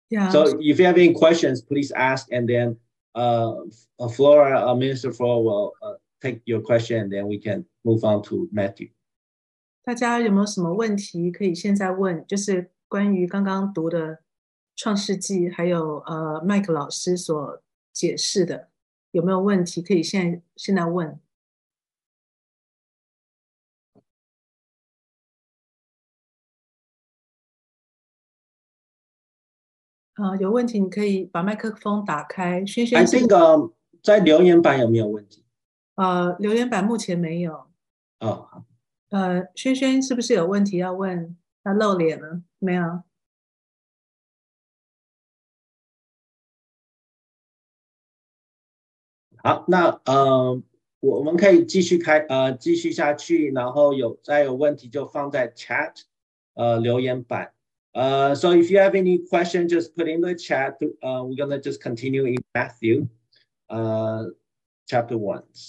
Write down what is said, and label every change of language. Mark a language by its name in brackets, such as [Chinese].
[English] So if you have any questions, please ask, and then Flora, Minister Flora will take your question, and then we can move on to Matthew. [Chinese] 大家有没有什么问题可以现在问？就是关于刚刚读的《创世纪》，还有麦克老师所解释的，有没有问题可以现在问？有问题你可以把麦克风打开。萱萱 [English] I think [Chinese] 在留言板有没有问题？留言板目前没有。 Oh. 萱萱是不是有问题要问？要露脸了？没有。好，那我们可以继续开继续下去，然后再有问题就放在 chat 留言板。 [English] So if you have any question, just put in the chat. We're going to just continue in Matthew, chapter 1.